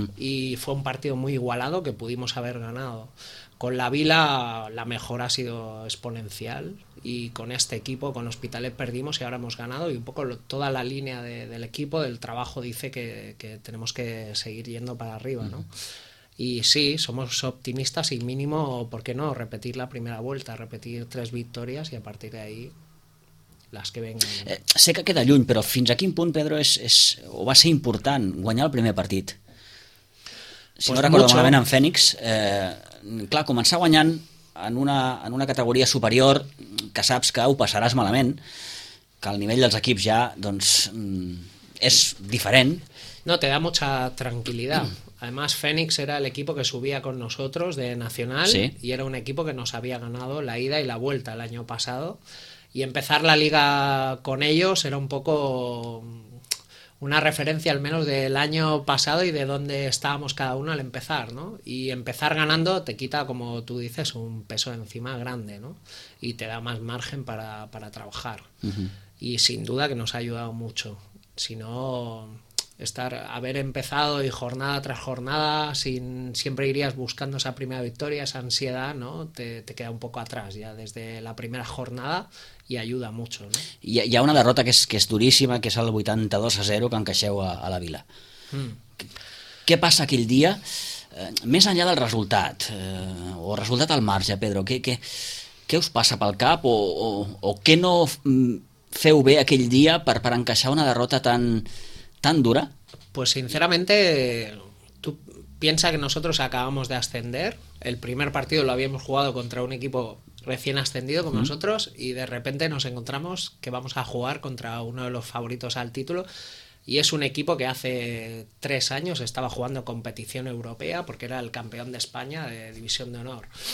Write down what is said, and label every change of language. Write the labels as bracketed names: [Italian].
[Spanish] Y fue un partido muy igualado que pudimos haber ganado. Con la Vila la mejora ha sido exponencial y con este equipo, con Hospitalet, perdimos y ahora hemos ganado. Y un poco toda la línea del equipo, del trabajo, dice que tenemos que seguir yendo para arriba, ¿no? Y sí, somos optimistas y mínimo, ¿por qué no?, repetir la primera vuelta, repetir tres victorias y a partir de ahí las que vengan. [Catalan] Sé que queda lluny, però fins a quin punt, Pedro, és o va ser important guanyar el primer partit? Si pues no recordo malament, en Fénix, clar, començar guanyant en una categoria superior, que saps que ho passaràs malament, que el nivell dels equips ja, doncs, és diferent. [Spanish] No, te da mucha tranquilidad. Además, Fénix era el equipo que subía con nosotros de Nacional, sí, y era un equipo que nos había ganado la ida y la vuelta el año pasado. Y empezar la liga con ellos era un poco una referencia al menos del año pasado y de dónde estábamos cada uno al empezar, ¿no? Y empezar ganando te quita, como tú dices, un peso encima grande, ¿no?, y te da más margen para trabajar. Uh-huh. Y sin duda que nos ha ayudado mucho. Si no, haber empezado y jornada tras jornada, siempre irías buscando esa primera victoria, esa ansiedad, ¿no?, te queda un poco atrás ya desde la primera jornada y ayuda mucho, ¿no? [Catalan] Hi ha una derrota que és duríssima, que és el 82-0 que encaixeu a la Vila. Què passa aquell dia, més enllà del resultat, o resultat al marge, Pedro? Què us passa pel cap o què no feu bé aquell dia per encaixar una derrota tan dura? [Spanish] Pues sinceramente, tú piensa que nosotros acabamos de ascender, el primer partido lo habíamos jugado contra un equipo recién ascendido como nosotros y de repente nos encontramos que vamos a jugar contra uno de los favoritos al título y es un equipo que hace 3 años estaba jugando competición europea porque era el campeón de España de división de honor.